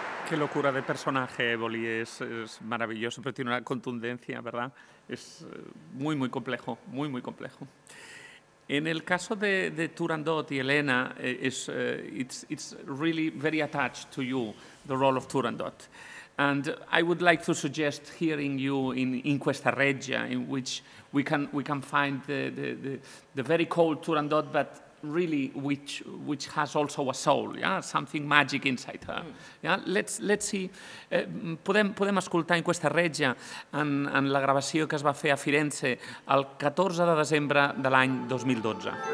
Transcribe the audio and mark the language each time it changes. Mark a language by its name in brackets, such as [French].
[Spanish] Locura de personaje, Éboli, es maravilloso, pero tiene una contundencia, ¿verdad? Es muy, muy complejo, muy, muy complejo. En el caso de Turandot y Elena, [English] it's really very attached to you, the role of Turandot. And I would like to suggest hearing you in Questa Regia, in which we can find the very cold Turandot, but really which has also a soul, yeah, something magic inside her. Yeah, let's see. [Catalan] Podem escoltar en Questa Regia en la gravació que es va fer a Firenze el 14 de desembre de l'any 2012.